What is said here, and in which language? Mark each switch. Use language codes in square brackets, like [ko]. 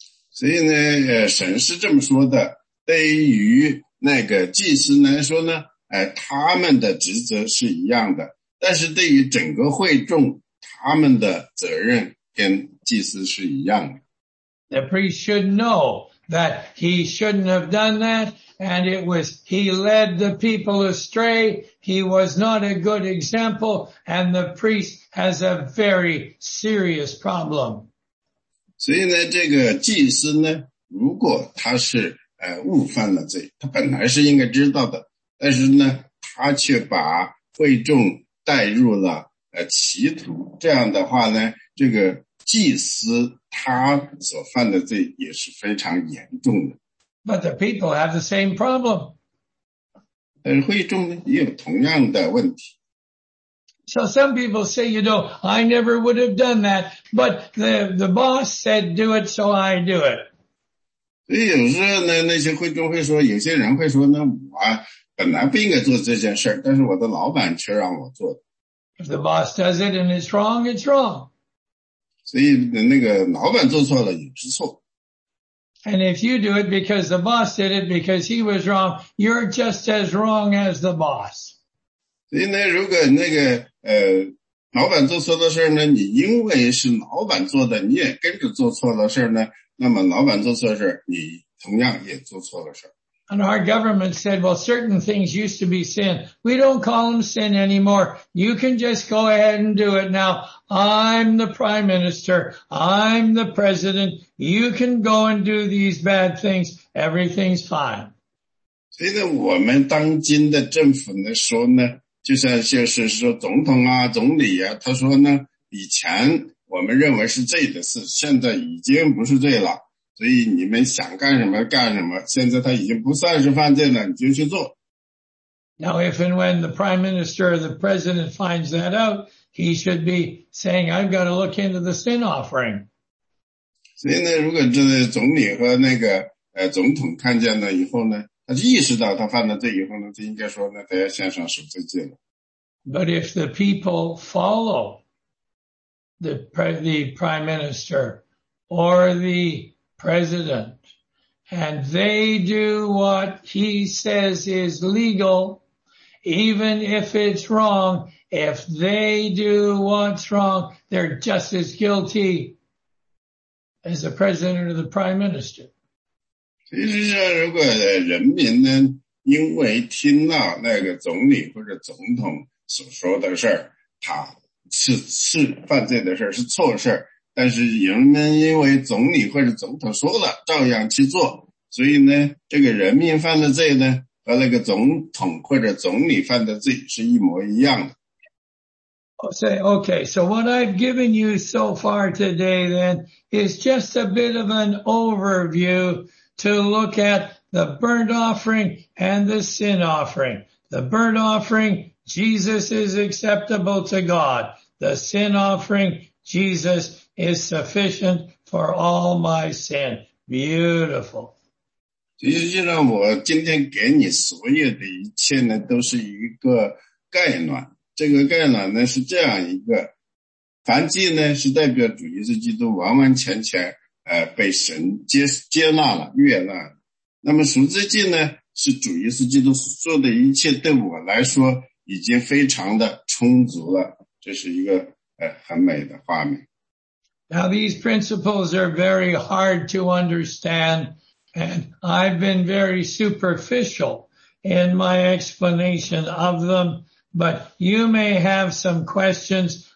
[zh] 所以呢，神是这么说的，对于那个祭司来说呢，他们的职责是一样的，但是对于整个会众，他们的责任跟祭司是一样的。 [en] The priest should know that he shouldn't have done that, and it was, he led the people astray, he was not a good example, and the priest has a very serious problem. [zh] 所以呢，这个祭司呢，如果他是误犯了罪，他本来是应该知道的，但是呢，他却把会众带入了歧途，这样的话呢，这个祭司他所犯的罪也是非常严重的。 [en] But the people have the same problem. [zh] 但是会众呢也有同样的问题。 [en] So some people say, you know, I never would have done that, but the boss said do it, so I do it. [zh] 所以有时候呢，那些会众会说，有些人会说呢，我本来不应该做这件事，但是我的老板却让我做。 [en] If the boss does it and it's wrong, it's wrong. [zh] 所以那个老板做错了也是错。 [en] And if you do it because the boss did it because he was wrong, you're just as wrong as the boss. [zh] 所以呢，如果那个老板做错的事呢，你因为是老板做的，你也跟着做错了事呢，那么老板做错事，你同样也做错了事。 [en] And our government said, well, certain things used to be sin. We don't call them sin anymore. You can just go ahead and do it now. I'm the prime minister. I'm the president. You can go and do these bad things. Everything's fine. [zh] 所以呢，我们当今的政府呢，说呢，就像就是说总统啊，总理啊，他说呢，以前我们认为是罪的事，现在已经不是罪了。所以你们想干什么干什么，现在他已经不算是犯罪了，你就去做。 [en] Now if and when the prime minister or the president finds that out, he should be saying, I've got to look into the sin offering. [zh] 所以呢，如果这个总理和那个总统看见了以后呢，他就意识到他犯了罪以后呢，他应该说呢，他要献上赎罪祭了。 [en] But if the people follow the prime minister or the president, and they do what he says is legal, even if it's wrong, if they do what's wrong, they're just as guilty as the president or the prime minister. [zh] 其实上，如果人民呢，因为听到那个总理或者总统所说的事儿，他是犯罪的事儿，是错事儿。但是人们因为总理或者总统说了照样去做，所以呢，这个人民犯的罪呢和那个总统或者总理犯的罪是一模一样的。 [en] Okay, so what I've given you so far today then is just a bit of an overview to look at the burnt offering and the sin offering. The burnt offering, Jesus is acceptable to God. The sin offering, Jesus is sufficient for all my sin. Beautiful. [zh] 其实就让我今天给你所有的一切呢，都是一个概览。这个概览呢是这样一个，燔祭呢是代表主耶稣基督完完全全被神接纳了、悦纳了。那么赎罪祭呢是主耶稣基督所做的一切对我来说已经非常的充足了。这是一个很美的画面。 [en] Now these principles are very hard to understand, and I've been very superficial in my explanation of them, but you may have some questions.